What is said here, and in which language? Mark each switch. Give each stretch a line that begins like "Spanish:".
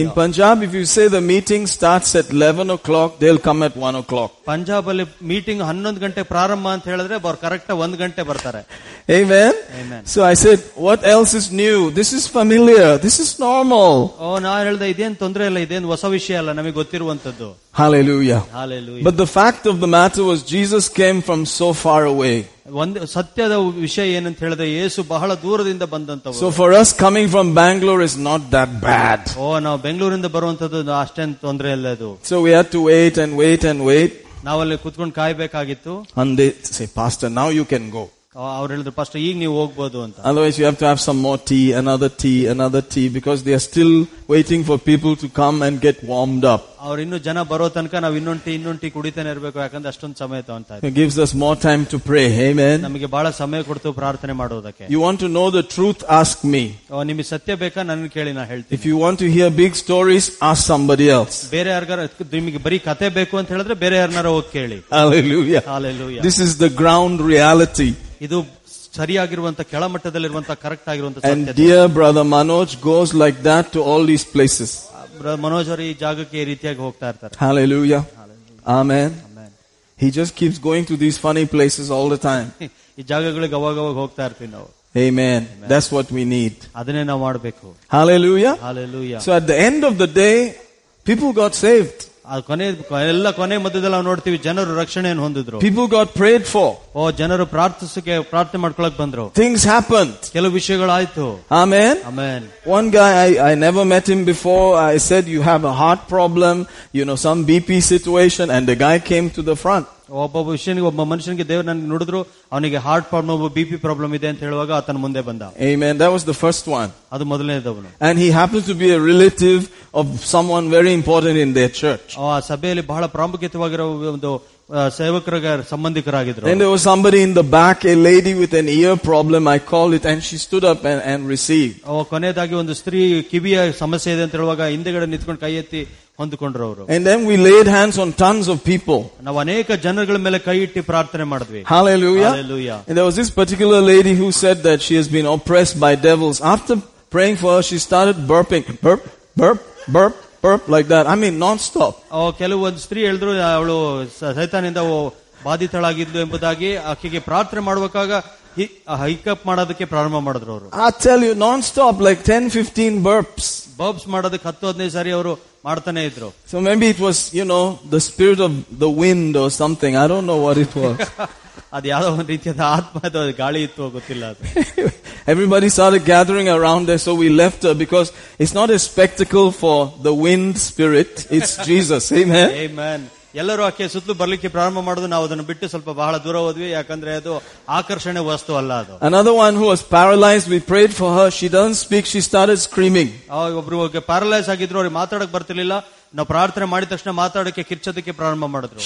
English: In Punjab, if you say the meeting starts at 11 o'clock, they'll come at 1 o'clock.
Kannada: Punjab ಅಲ್ಲಿ meeting 11 ಗಂಟೆ ಪ್ರಾರಂಭ ಅಂತ ಹೇಳಿದ್ರೆ ಅವ್ರು ಕರೆಕ್ಟ್ 1 ಗಂಟೆ ಬರ್ತಾರೆ. Amen.
English: So I said what else is new, this is familiar, this is normal.
Kannada: ಓ ನಾನು ಹೇಳಿದೆ ಇದೇನು ತೊಂದರೆ ಇಲ್ಲ, ಇದೇನು ಹೊಸ ವಿಷಯ ಅಲ್ಲ, ನಮಗೆ ಗೊತ್ತಿರುವಂತದ್ದು. Hallelujah. Hallelujah.
English: But the fact of the matter was Jesus came from so far away.
Kannada: ಸತ್ಯದ ವಿಷಯ ಏನಂತ ಹೇಳಿದ್ರೆ ಯೇಸು ಬಹಳ ದೂರದಿಂದ ಬಂದಂತವರು.
English: So for us coming from Bangalore is not that bad.
Kannada: ಓ ನಾವು ಬೆಂಗಳೂರಿಂದ ಬರುವಂತದ್ದು ಅಷ್ಟೇನು ತೊಂದರೆ ಇಲ್ಲ ಅದು.
English: So we had to wait and wait and wait.
Kannada: ನಾವಲ್ಲಿ ಕುತ್ಕೊಂಡು ಕಾಯಬೇಕಾಗಿತ್ತು.
English: And they say, Pastor, now you can go.
Kannada: ಅವ್ರು ಹೇಳಿದ್ರು ಪಾಸ್ಟರ್ ಈಗ ನೀವು ಹೋಗ್ಬೋದು ಅಂತ.
English: Otherwise you have to have some more tea, another tea, another tea, because they are still waiting for people to come and get warmed up.
Kannada: ಅವ್ರು ಇನ್ನು ಜನ ಬರೋ ತನಕ ನಾವು ಇನ್ನೊಂದು ಟೀ ಕುಡಿತಾನೆ ಇರಬೇಕು, ಯಾಕಂದ್ರೆ ಅಷ್ಟೊಂದು ಸಮಯ ತಗೊಂತ.
English: It gives us more time to pray. Amen.
Kannada: ನಮಗೆ ಬಹಳ ಸಮಯ ಕೊಡ್ತು ಪ್ರಾರ್ಥನೆ ಮಾಡೋದಕ್ಕೆ.
English: You want to know the truth, ask me.
Kannada: ನಿಮಗೆ ಸತ್ಯ ಬೇಕಾ ನನ್ನ ಕೇಳಿ, ನಾ ಹೇಳ್ತೀನಿ.
English: If you want to hear big stories, ask somebody else.
Kannada: ಬೇರೆ ಯಾರಿಗಾರ ನಿಮಗೆ ಬರೀ ಕತೆ ಬೇಕು ಅಂತ ಹೇಳಿದ್ರೆ ಬೇರೆ ಯಾರನ್ನಾರ ಹೋಗಿ ಕೇಳಿ. Hallelujah. Hallelujah.
English: This is the ground reality.
Kannada: ಇದು ಸರಿಯಾಗಿರುವಂತಹ ಕೆಳಮಟ್ಟದಲ್ಲಿರುವಂತಹ ಕರೆಕ್ಟ್ ಆಗಿರುವಂತಹ.
English: And dear brother Manoj goes like that to all these places.
Kannada: Manoj ಅವರು ಈ ಜಾಗಕ್ಕೆ ಈ ರೀತಿಯಾಗಿ ಹೋಗ್ತಾ ಇರ್ತಾರೆ. Hallelujah. Amen.
English: He just keeps going to these funny places all the time.
Kannada: ಈ ಜಾಗಗಳಿಗೆ ಅವಾಗವಾಗ ಹೋಗ್ತಾ ಇರ್ತೀವಿ ನಾವು.
English: Amen. That's what we need.
Kannada: ಅದನ್ನೇ ನಾವು ಮಾಡಬೇಕು. Hallelujah. Hallelujah.
English: So at the end of the day, people got saved.
Kannada: ಕೊನೆ ಮಧ್ಯದಲ್ಲಿ ನಾವು ನೋಡ್ತೀವಿ ಜನರು ರಕ್ಷಣೆಯನ್ನು ಹೊಂದಿದ್ರು.
English: People got prayed for.
Kannada: ಓ ಜನರು ಪ್ರಾರ್ಥಿಸಕ್ಕೆ ಪ್ರಾರ್ಥನೆ ಮಾಡ್ಕೊಳಕ್ ಬಂದ್ರು.
English: things happen,
Kannada: ಕೆಲವು ವಿಷಯಗಳಾಯ್ತು. Amen. Amen.
English: One guy I never met him before, I said you have a heart problem, you know some BP situation, and the guy came to the front.
Kannada: ಒಬ್ಬ ವಿಷಯನಿಗೆ ಒಬ್ಬ ಮನುಷ್ಯನಿಗೆ ದೇವ್ರು ನನಗೆ ನೋಡಿದ್ರು ಅವನಿಗೆ ಹಾರ್ಟ್ ಪ್ರಾಬ್ಲಮ್, ಒಬ್ಬ ಬಿಪಿ ಪ್ರಾಬ್ಲಮ್ ಇದೆ ಅಂತ ಹೇಳುವಾಗ ಆತನ ಮುಂದೆ ಬಂದ.
English: Amen. That was the first one.
Kannada: ಅದು ಮೊದಲನೇದವನು.
English: And he happens to be a relative of someone very important in their church.
Kannada: ಆ ಸಭೆಯಲ್ಲಿ ಬಹಳ ಪ್ರಾಮುಖ್ಯತವಾಗಿರುವ ಒಂದು ಸೇವಕರ ಸಂಬಂಧಿಕರಾಗಿದ್ದರು.
English: Then there was somebody in the back, a lady with an ear problem, I called it and she stood up and receive.
Kannada: ಕೊನೆಯದಾಗಿ ಒಂದು ಸ್ತ್ರೀ ಕಿವಿಯ ಸಮಸ್ಯೆ ಇದೆ ಅಂತ ಹೇಳುವಾಗ ಹಿಂದೆಗಡೆ ನಿಂತ್ಕೊಂಡು ಕೈ ಎತ್ತಿ ಹೊಂದಿಕೊಂಡ್ರು ಅವರು.
English: And then we laid hands on tons of people.
Kannada: ನಾವು ಅನೇಕ ಜನರುಗಳ ಮೇಲೆ ಕೈ ಇಟ್ಟು ಪ್ರಾರ್ಥನೆ ಮಾಡಿದ್ವಿ. Hallelujah. Hallelujah.
English: And there was this particular lady who said that she has been oppressed by devils. After praying for her, she started burping. Burp, burp, burp, burp, like that. I mean, non-stop.
Kannada: ಕೆಲವೊಂದು ಸ್ತ್ರೀ ಹೇಳಿದ್ರು ಅವಳು ಸೈತಾನಿಂದ ಬಾಧಿತಳಾಗಿದ್ದು ಎಂಬುದಾಗಿ. ಆಕೆಗೆ ಪ್ರಾರ್ಥನೆ ಮಾಡುವಾಗ ಹೈಕಪ್ ಮಾಡೋದಕ್ಕೆ ಪ್ರಾರಂಭ ಮಾಡಿದ್ರು ಅವರು.
English: I tell you, non-stop, like 10-15 burps.
Kannada: ಬರ್ಪ್ಸ್ ಮಾಡೋದಕ್ಕೆ 10-15 ಸಾರಿ ಅವರು ಮಾಡ್ತಾನೆ ಇದ್ರು.
English: So maybe it was you know the spirit of the wind or something, I don't know what it was.
Kannada: ಅದು ಯಾವ್ದೋ ಒಂದು ರೀತಿಯ ಆತ್ಮ, ಅದು ಗಾಳಿ ಇತ್ತು ಗೊತ್ತಿಲ್ಲ.
English: Everybody started gathering around there, so we left her because it's not a spectacle for the wind spirit, it's Jesus. Amen. Amen.
Kannada: ಎಲ್ಲರೂ ಆಕೆ ಸುತ್ತಲೂ ಬರ್ಲಿಕ್ಕೆ ಪ್ರಾರಂಭ ಮಾಡುದು, ನಾವು ಅದನ್ನು ಬಿಟ್ಟು ಸ್ವಲ್ಪ ಬಹಳ ದೂರ ಹೋದ್ವಿ, ಯಾಕಂದ್ರೆ ಅದು ಆಕರ್ಷಣೆ ವಸ್ತು ಅಲ್ಲ ಅದು.
English: Another one who was paralyzed, we prayed for her, she doesn't speak, she started screaming.
Kannada: ಒಬ್ರು ಪ್ಯಾರಲೈಸ್ ಆಗಿದ್ರು, ಅವ್ರಿಗೆ ಮಾತಾಡಕ್ ಬರ್ತಿರ್ಲಿಲ್ಲ. ನಾವು ಪ್ರಾರ್ಥನೆ ಮಾಡಿದ ತಕ್ಷಣ ಮಾತಾಡೋಕೆ ಕಿರ್ಚೋದಕ್ಕೆ ಪ್ರಾರಂಭ ಮಾಡಿದ್ರು.